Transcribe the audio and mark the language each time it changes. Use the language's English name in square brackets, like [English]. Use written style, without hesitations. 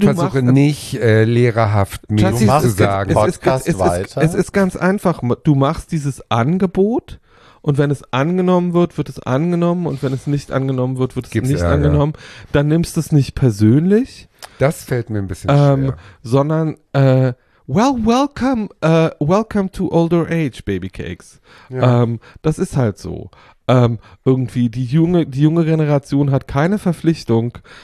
[German] versuche nicht lehrerhaft mir zu sagen? Es ist ganz einfach. Du machst dieses Angebot und wenn es angenommen wird, wird es angenommen und wenn es nicht angenommen wird, wird es angenommen. Dann nimmst du es nicht persönlich. Das fällt mir ein bisschen schwer. [English] Sondern, welcome to older age, Babycakes. [German] Ja. Das ist halt so. Irgendwie, die junge Generation hat keine Verpflichtung,